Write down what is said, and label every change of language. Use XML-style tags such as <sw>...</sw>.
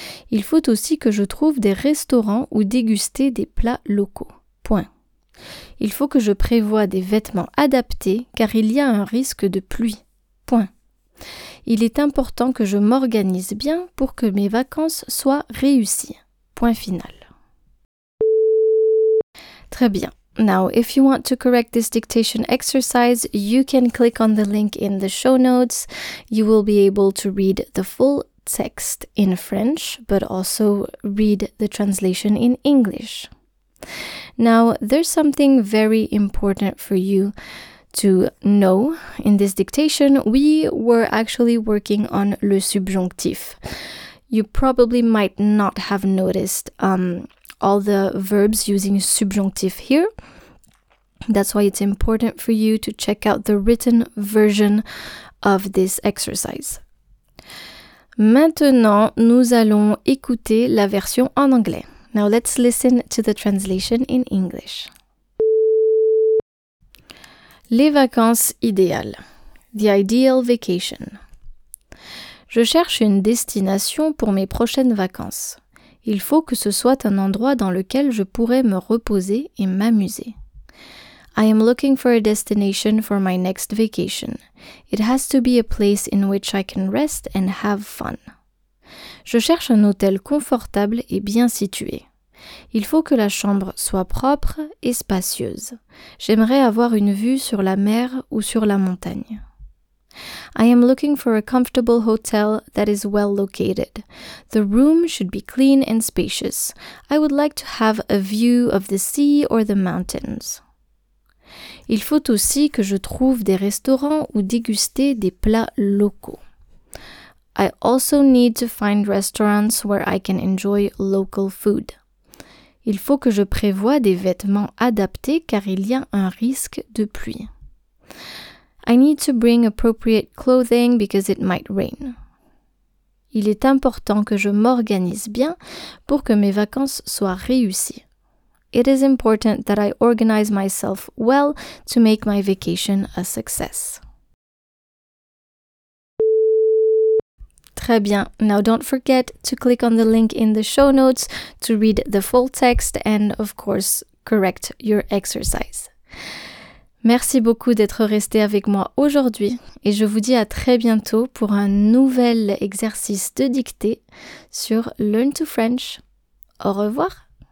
<fr>Il faut aussi que je trouve des restaurants où déguster des plats locaux. Point. Il faut que je prévoie des vêtements adaptés car il y a un risque de pluie. Point. Il est important que je m'organise bien pour que mes vacances soient réussies. Point final. Très bien.</fr> <en>Now, if you want to correct this dictation exercise, you can click on the link in the show notes. You will be able to read the full text in French, but also read the translation in English. Now, there's something very important for you to know in this dictation. We were actually working on le subjonctif. You probably might not have noticed all the verbs using subjonctif here. That's why it's important for you to check out the written version of this exercise.</en> <fr>Maintenant, nous allons écouter la version en anglais.</fr> <en>Now let's listen to the translation in English.</en> <fr>Les vacances idéales.</fr> <en>The ideal vacation.</en> <fr>Je cherche une destination pour mes prochaines vacances. Il faut que ce soit un endroit dans lequel je pourrais me reposer et m'amuser.</fr> <en>I am looking for a destination for my next vacation. It has to be a place in which I can rest and have fun.</en> <fr>Je cherche un hôtel confortable et bien situé. Il faut que la chambre soit propre et spacieuse. J'aimerais avoir une vue sur la mer ou sur la montagne.</fr> <en>I am looking for a comfortable hotel that is well located. The room should be clean and spacious. I would like to have a view of the sea or the mountains.</en> <fr>Il faut aussi que je trouve des restaurants où déguster des plats locaux.</fr> <en>I also need to find restaurants where I can enjoy local food.</en> <fr>Il faut que je prévoie des vêtements adaptés car il y a un risque de pluie.</fr> <en>I need to bring appropriate clothing because it might rain.</en> <fr>Il est important que je m'organise bien pour que mes vacances soient réussies.</fr> <en>It is important that I organize myself well to make my vacation a success.</en> <fr>Très bien.</fr> <en>Now don't forget to click on the link in the show notes to read the full text and of course correct your exercise.</en> <fr>Merci beaucoup d'être resté avec moi aujourd'hui et je vous dis à très bientôt pour un nouvel exercice de dictée sur Learn to French. Au revoir.</fr>